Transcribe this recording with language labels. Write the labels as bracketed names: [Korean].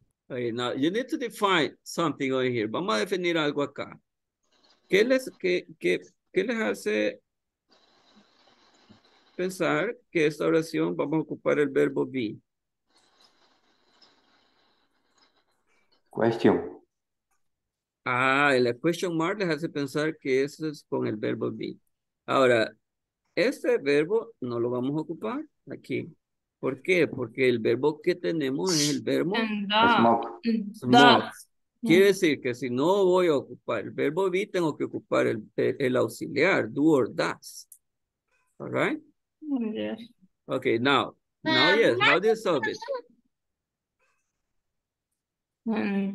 [English] Okay, now you need to define something over here. [Spanish] Vamos a definir algo acá. ¿Qué les hace pensar que esta oración vamos a ocupar el verbo be? [English] Question. [Spanish] La question mark les hace pensar que eso es con el verbo be. Ahora, este verbo no lo vamos a ocupar aquí. ¿Por qué? Porque el verbo que tenemos es el verbo [English] smoke. [Spanish] Quiere decir que si no voy a ocupar el verbo be, tengo que ocupar el auxiliar, do or does. [English] All right? Yes. Okay, now yes, how do you solve it?